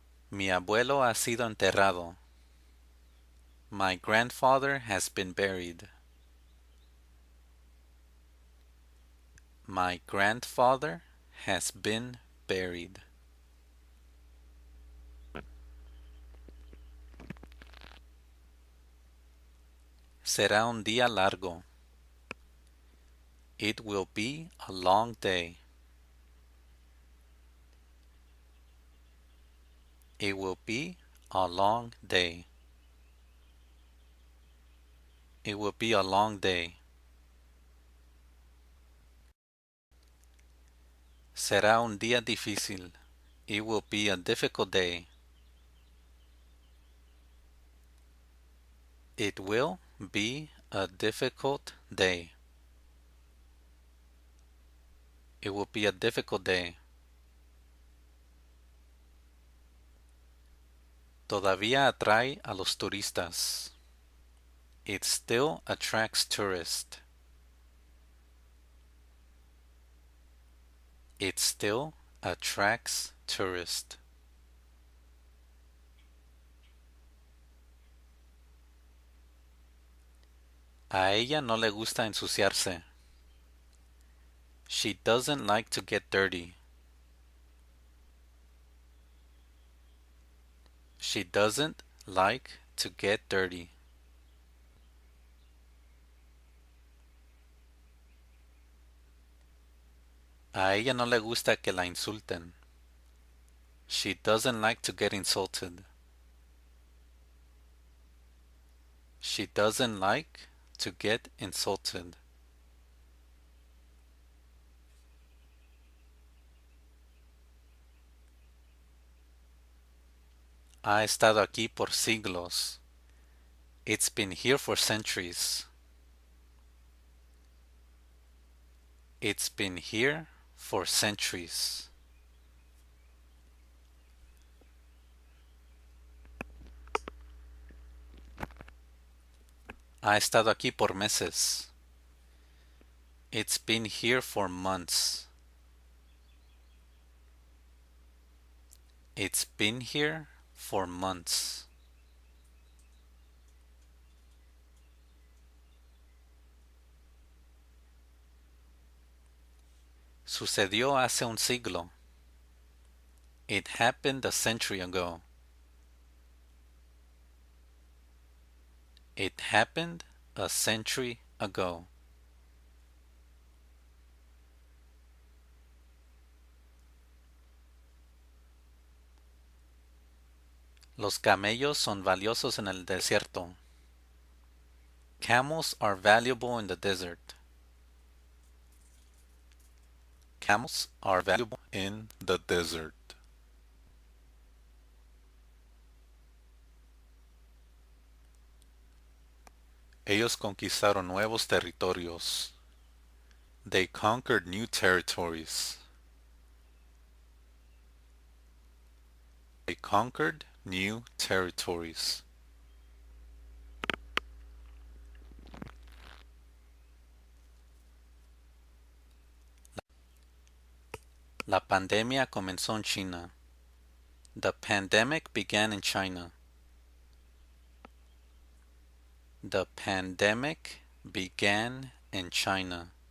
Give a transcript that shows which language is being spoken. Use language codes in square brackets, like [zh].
[es] Mi abuelo ha sido enterrado. [en] My grandfather has been buried. My grandfather has been buried. [es] Será un día largo. [en] It will be a long day. It will be a long day. It will be a long day. [es] Será un día difícil. [en] It will be a difficult day. It will be a difficult day. It will be a difficult day. [es] Todavía atrae a los turistas. [en] It still attracts tourists. It still attracts tourists. [es] A ella no le gusta ensuciarse. [en] She doesn't like to get dirty. She doesn't like to get dirty. [es] A ella no le gusta que la insulten. [en] She doesn't like to get insulted. She doesn't like to get insulted. [es] Ha estado aquí por siglos. [en] It's been here for centuries. It's been here for centuries. [es] Ha estado aquí por meses. [en] It's been here for months. It's been here for months. [es] Sucedió hace un siglo. [en] It happened a century ago. It happened a century ago. [es] Los camellos son valiosos en el desierto. [en] Camels are valuable in the desert. Camels are valuable in the desert. [es] Ellos conquistaron nuevos territorios. [en] They conquered new territories. They conquered new territories. [es] La pandemia comenzó en China. [en] The pandemic began in China. The pandemic began in China.